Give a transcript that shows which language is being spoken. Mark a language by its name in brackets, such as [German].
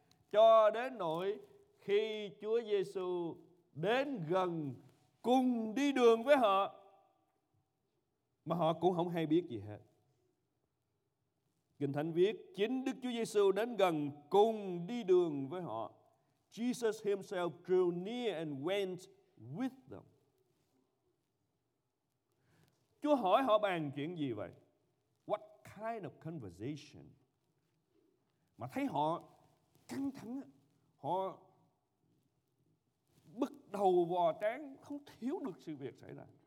[Vietnamese] Cho đến nỗi khi Chúa Giê-xu đến gần cùng đi đường với họ mà họ cũng không hay biết gì hết. Kinh Thánh viết chính Đức Chúa Giê-xu đến gần cùng đi đường với họ. [English] Jesus himself drew near and went with them. [Vietnamese] Chúa hỏi họ bàn chuyện gì vậy? [English] What kind of conversation? [Vietnamese] Mà thấy họ căng thẳng, họ bức đầu vò trán, không thiếu được sự việc xảy ra.